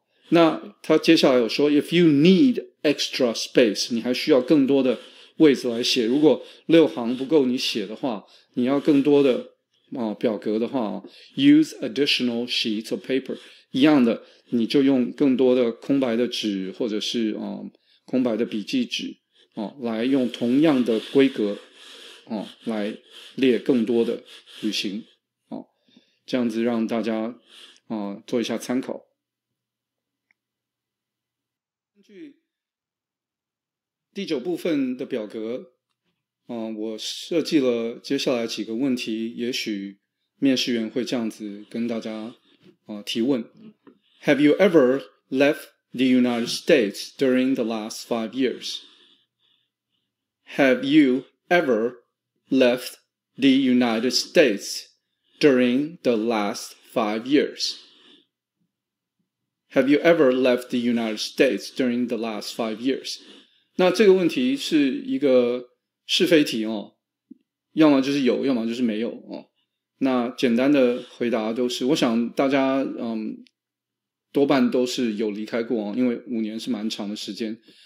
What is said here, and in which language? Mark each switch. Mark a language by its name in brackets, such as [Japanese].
[Chinese] 那他接下来有说 [English] if you need extra space， [Chinese] 你还需要更多的位置来写，如果六行不够你写的话，你要更多的、哦、表格的话、哦、 [English] use additional sheets of paper， [Chinese] 一样的你就用更多的空白的纸或者是、哦、空白的笔记纸、哦、来用同样的规格、哦、来列更多的旅行、哦、这样子让大家、做一下参考。第九部分的表格、我设计了接下来几个问题，也许面试员会这样子跟大家、提问。 [English] Have you ever left the United States during the last 5 years? Have you ever left the United States during the last 5 years? Have you ever left the United States during the last 5 years? [Chinese] 那这个问题是一个是非题哦，要么就是有，要么就是没有哦。那简单的回答都是，我想大家多半都是有离开过哦，因为五年是蛮长的时间。